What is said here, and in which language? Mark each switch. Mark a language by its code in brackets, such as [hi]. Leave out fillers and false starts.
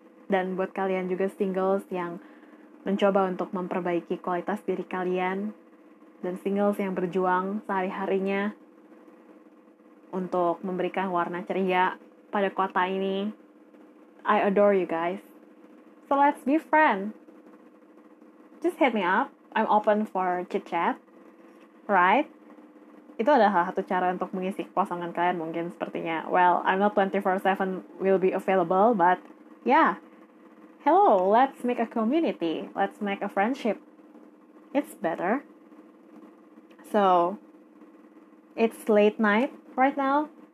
[id] Dan buat kalian juga singles yang mencoba untuk memperbaiki kualitas diri kalian, dan singles yang berjuang sehari-harinya untuk memberikan warna ceria pada kota ini, [en] I adore you guys. So let's be friends. Just hit me up, I'm open for chit-chat, right? [id] Itu adalah salah satu cara untuk mengisi kosongan kalian mungkin sepertinya. [en] Well, I'm not 24/7 will be available, but yeah. Hello, let's make a community. Let's make a friendship. It's better. So, it's late night right now.